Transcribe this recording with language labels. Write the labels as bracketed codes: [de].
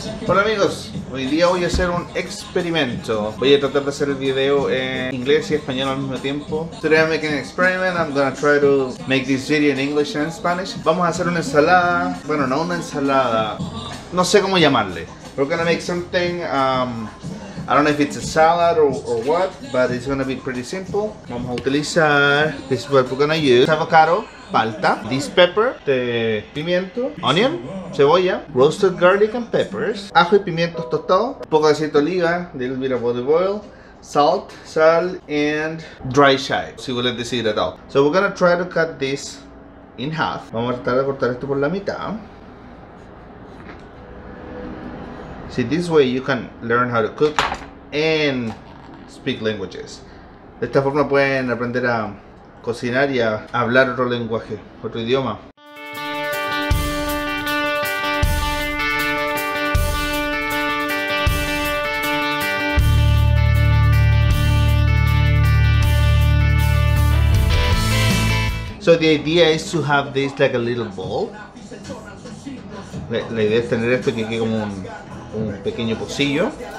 [es] Hola amigos, hoy día voy a hacer un experimento. Voy a tratar de hacer el video en inglés y español al mismo tiempo. [en] Today I'm making an experiment. I'm gonna try to make this video in English and Spanish. [es] Vamos a hacer una ensalada. Bueno, no una ensalada. No sé cómo llamarle. [en] We're gonna make something. I don't know if it's a salad or what, but it's gonna be pretty simple. [es] Vamos a utilizar. [en] This is what we're gonna use. Avocado. Palta, this pepper, de pimiento, onion, cebolla, roasted garlic and peppers, [es] ajo y pimientos tostados, un poco de aceite de oliva, [en] little bit of olive oil, sal, and dry chive, [es] si vuelves a decir [en] at all. So we're gonna try to cut this in half. [es] Vamos a tratar de cortar esto por la mitad. [en] See, this way you can learn how to cook and speak languages. [es] De esta forma pueden aprender a cocinar y a hablar otro lenguaje, otro idioma. [en] So the idea is to have this like a little bowl. [es] La idea es tener esto que quede como un pequeño pocillo.